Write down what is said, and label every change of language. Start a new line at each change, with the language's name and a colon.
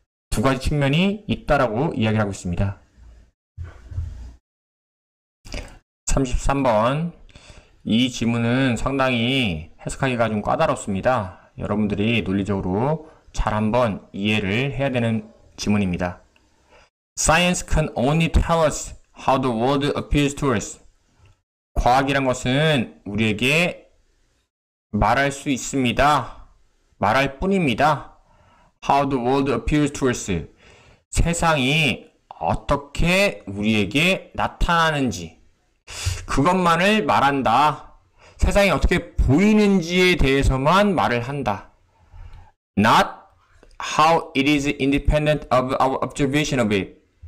Korean: 두 가지 측면이 있다라고 이야기하고 있습니다. 33번. 이 지문은 상당히 해석하기가 좀 까다롭습니다. 여러분들이 논리적으로 잘 한번 이해를 해야 되는 지문입니다.
English: Science can only tell us how the world appears to us.
Korean: 과학이란 것은 우리에게 말할 수 있습니다. 말할 뿐입니다.
English: How the world appears to us.
Korean: 세상이 어떻게 우리에게 나타나는지. 그것만을 말한다. 세상이 어떻게 보이는지에 대해서만 말을 한다.
English: Not How it is independent of our observation of it.